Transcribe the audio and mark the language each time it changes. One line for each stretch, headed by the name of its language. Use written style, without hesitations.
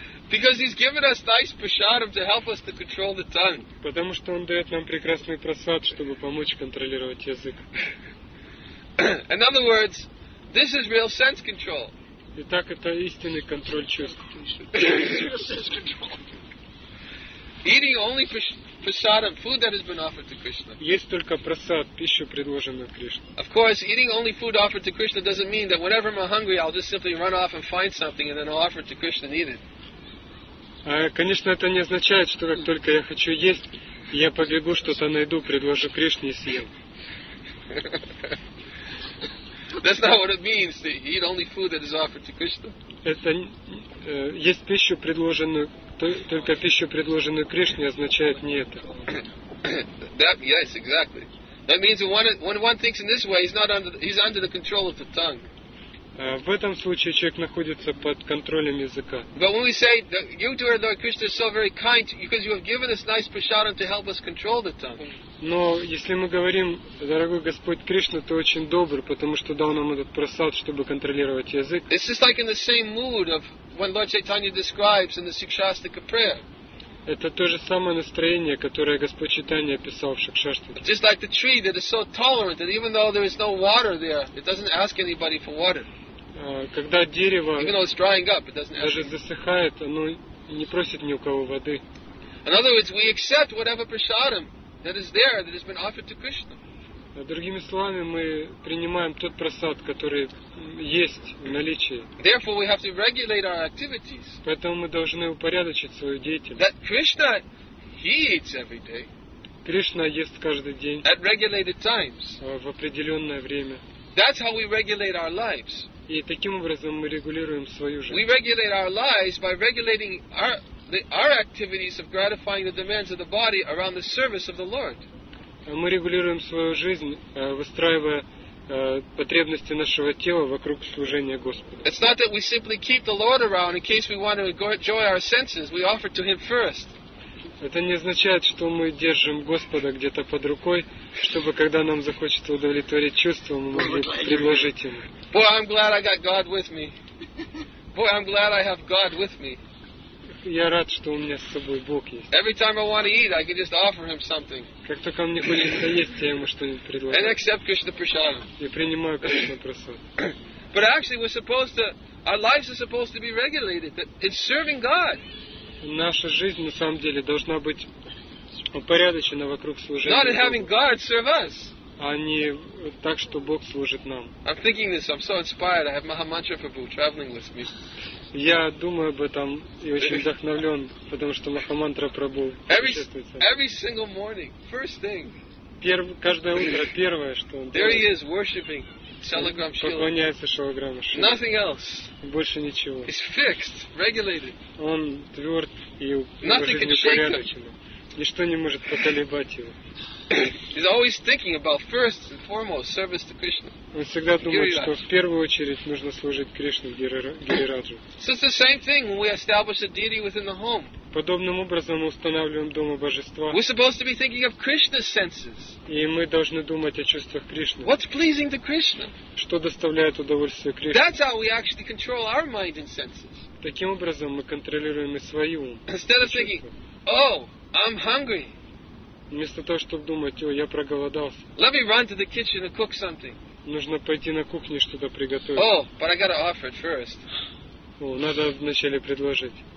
English: Because he's given us nice prasadam to help us to control the tongue.
Russian: Потому что он дает нам прекрасный просад, чтобы помочь контролировать язык.
English: In other words, this is real sense control.
Russian: Итак, это истинный контроль чувств.
English: Eating only prasadam, food that has been offered to Krishna.
Russian: Есть только просад, пища, предложенная Кришне.
English: Of course, eating only food offered to Krishna doesn't mean that whenever I'm hungry, I'll just simply run off and find something and then I'll offer it to Krishna and eat it.
Russian: Конечно, это не означает, что как только я хочу есть, я побегу, что-то найду, предложу Кришне и съем.
English: That's not what it means to eat only food that is offered to Krishna.
Russian: Это есть пищу предложенную только пищу предложенную Кришне означает не это.
English: That, yes, exactly. That means when one thinks in this way, he's under the control of the tongue.
Russian: В этом случае человек находится под контролем языка.
English: But when we say that you, dear Lord Krishna, are so very kind because you have given us nice prasadam to help us control the tongue.
Russian: Но если мы говорим, дорогой Господь Кришна, ты очень добр, потому что дал нам этот просад, чтобы контролировать язык.
English: It's just like in the same mood of when Lord Chaitanya describes in the Sikshastika prayer.
Russian: Это то же самое настроение, которое Господь Читания описал в Шикшаштике.
English: Just like the tree that is so tolerant that even though there is no water there, it doesn't ask anybody for water.
Russian: Когда дерево,
English: even though it's drying up, it doesn't ask
Russian: даже засыхает, оно не просит ни у кого воды.
English: In other words, we accept whatever prasadam that is there that has been offered to Krishna.
Russian: Другими словами, мы принимаем тот просад, который есть в наличии.
English: Therefore, we have to regulate our activities.
Russian: Поэтому мы должны упорядочить свою деятельность.
English: That Krishna, he eats every day.
Russian: Кришна ест каждый день.
English: At regulated times.
Russian: В определенное время.
English: That's how we regulate our lives.
Russian: И таким образом мы регулируем свою жизнь.
English: We regulate our lives by regulating our activities of gratifying the demands of the body around the service of the Lord.
Russian: Мы регулируем свою жизнь, выстраивая потребности нашего тела вокруг служения Господу.
English: It's not that we simply keep the Lord around in case we want to enjoy our senses. We offer to Him first.
Russian: Это не означает, что мы держим Господа где-то под рукой, чтобы когда нам захочется удовлетворить чувства, мы могли предложить Ему.
English: Boy, I'm glad I got God with me. Boy, I'm glad I have God with me.
Russian: Я рад, что у меня с собой Бог есть.
English: Every time I want to eat, I can just offer Him something.
Russian: Как только мне хочется есть, я Ему что-нибудь предложу.
English: And accept Krishna prasadam.
Russian: И принимаю Krishna prasadam.
English: But actually, we're supposed to. Our lives are supposed to be regulated. It's serving God.
Russian: Наша жизнь на самом деле должна быть упорядочена вокруг служения.
English: Not in having God serve us.
Russian: А не так, что Бог служит нам.
English: I'm thinking this. I'm so inspired. I have Mahamantra Prabhu traveling with me.
Russian: Я думаю об этом и очень вдохновлен, потому что Махамантра Прабху
English: путешествует. Every single morning, first thing.
Russian: Каждое утро первое, что он делает.
English: There he is, worshipping Shalagram Shila.
Russian: Поклоняется Шалаграм Шиле.
English: Nothing else.
Russian: Больше ничего.
English: He's fixed, regulated.
Russian: Он тверд и упорядочен. Ничто не может поколебать его.
English: He's always thinking about first and foremost service to Krishna.
Russian: Он всегда думает, что в первую очередь нужно служить Кришне, Гирираджу.
English: So it's the same thing when we establish a deity within the home.
Russian: Подобным образом мы устанавливаем дома божества.
English: We're supposed to be thinking of Krishna's senses.
Russian: И мы должны думать о чувствах Кришны.
English: What's pleasing to Krishna?
Russian: Что доставляет удовольствие Кришне?
English: That's how we actually control our mind and senses.
Russian: Таким образом мы контролируем и свой ум.
English: Instead of thinking, oh, I'm hungry.
Russian: Вместо того, чтобы думать, о, я проголодался.
English: Let me run to the kitchen and cook something.
Russian: Нужно пойти на кухню что-то приготовить.
English: Oh, but I gotta offer it first.
Russian: О, надо вначале предложить.